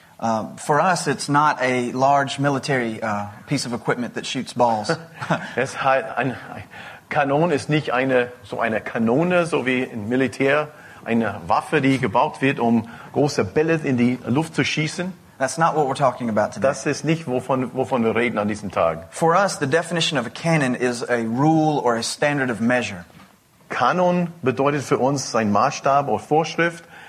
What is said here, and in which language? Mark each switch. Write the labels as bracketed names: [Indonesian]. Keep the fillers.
[English] Uh, for us, it's not a large military uh, piece of equipment that shoots balls. [German] es ein, ein, Kanon ist nicht eine so eine Kanone, so wie im ein Militär eine Waffe, die gebaut wird, um große Bälle in die Luft zu schießen. [English] That's not what we're talking about today. [German] Das ist nicht wovon wovon wir reden an diesem Tag. [English] For us, the definition of a cannon is a rule or a standard of measure. [German] Kanon bedeutet für uns ein Maßstab oder Vorschrift.